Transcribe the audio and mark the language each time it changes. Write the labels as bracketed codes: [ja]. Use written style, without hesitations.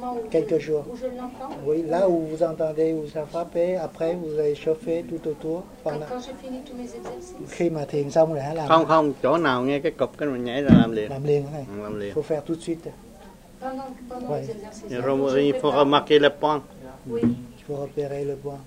[fr] Quelques jours. Oui, là où vous entendez où ça frappe, après vous allez chauffer tout autour pendant. Quand j'ai fini tous mes exercices. [vi] Khi mà thiền xong là làm. Không không, chỗ nào nghe cái cục cái mình nhảy ra làm liền. Làm liền này. Làm liền. [fr] Faut faire tout de suite. Pendant mes exercices. Il faut remarquer le point. Oui. Il faut repérer le point.